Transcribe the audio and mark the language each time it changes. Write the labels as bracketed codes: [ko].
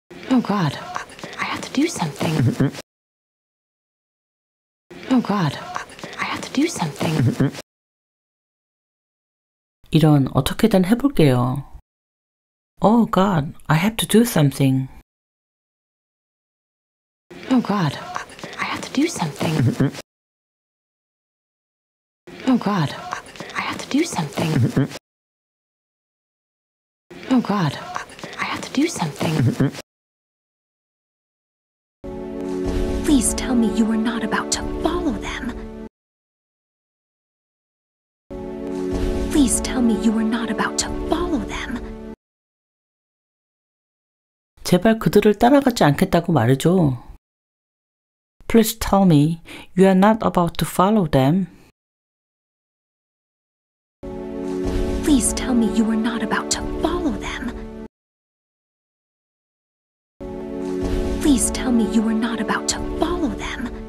[en] Oh God, I have to do something. Oh God, I have to do something. [ko] 이런 어떻게든 해볼게요. [en] Oh God, I have to do something. Oh God, I have to do something. Oh God, I have to do something. Oh God, I have to do something. Please tell me you are not about to follow them. Please tell me you are not about to follow them. [ko] 제발 그들을 따라가지 않겠다고 말해줘. [en] Please tell me you are not about to follow them. Please tell me you are not about to follow them. Please tell me you are not about to follow them.